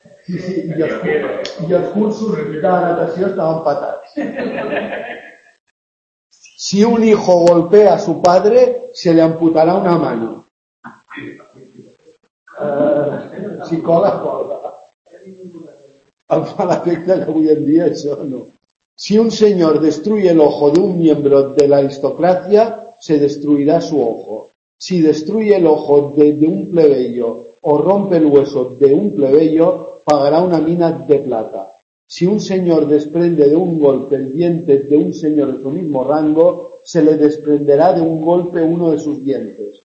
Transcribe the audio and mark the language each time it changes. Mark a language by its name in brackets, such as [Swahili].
[Catalan] Sí, i els cursos de natació estaven patats. [Spanish] Si un hijo golpea a su padre, se le amputará una mano. Si cola, cola. [Catalan] Em fa l'efecte que avui en dia això no. [Spanish] Si un senyor destruye el ojo de un miembro de la aristocracia, se destruirá su ojo. Si destruye el ojo de un plebeyo o rompe el hueso de un plebeyo, pagará una mina de plata. Si un señor desprende de un golpe el diente de un señor de su mismo rango, se le desprenderá de un golpe uno de sus dientes.